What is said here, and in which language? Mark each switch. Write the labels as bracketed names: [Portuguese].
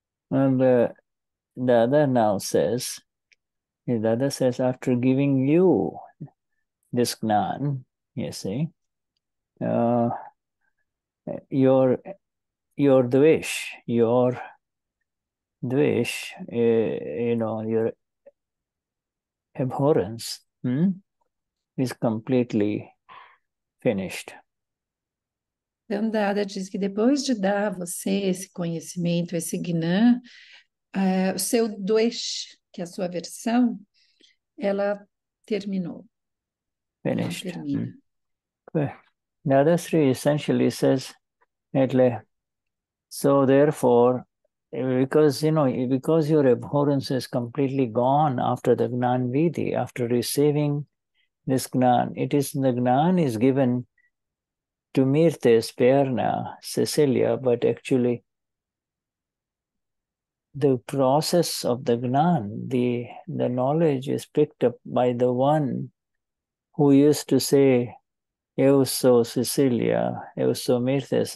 [English] And Dada now says, Dada says, after giving you this gnan, you see, your dvesh, you know, your abhorrence is completely finished. [Portuguese] Então, Dada diz que depois de dar a você esse conhecimento, esse gnã, o seu dvesh, que é a sua versão, ela terminou. [English] Finished. [Portuguese] Ela termina. [English] Dadashri essentially says, so therefore, because your abhorrence is completely gone after the Gnan Vidhi, after receiving this Gnan. It is the Gnan is given to Mirtes, Perna, Cecilia, but actually the process of the Gnan, the knowledge is picked up by the one who used to say, Euso Cecilia, Euso Mirtes.